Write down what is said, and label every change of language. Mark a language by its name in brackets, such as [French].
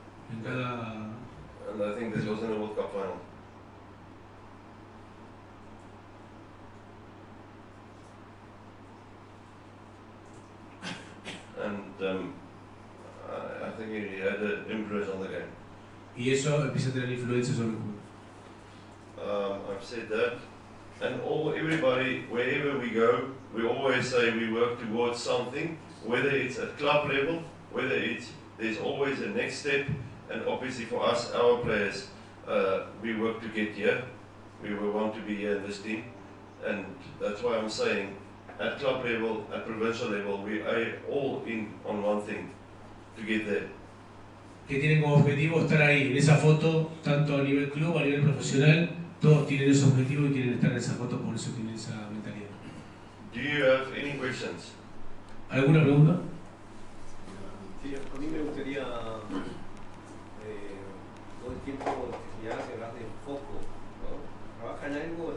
[Spanish] En cada... [English] And I think this was in the World Cup final. And I think he had an influence on the game. [Spanish] Y eso empieza a tener influencia sobre el juego. [English] I've said that. And everybody, wherever we go, we always say we work towards something, whether it's at club level, whether it's, there's always a next step, and obviously for us, our players, we work to get here, we want to be here in this team, and that's why I'm saying, at club level, at provincial level, we are all in on one thing, to get there. [Spanish] ¿Qué tienen como objetivo? Estar ahí, en esa foto, tanto a nivel club, a nivel profesional. Todos tienen ese objetivo y quieren estar en esa foto, por eso tienen esa mentalidad. [English] Do you have any questions? [Spanish] ¿Alguna pregunta? Sí, a mí me gustaría todo el tiempo ya que hablas de foco, ¿no? ¿Trabajas en algo?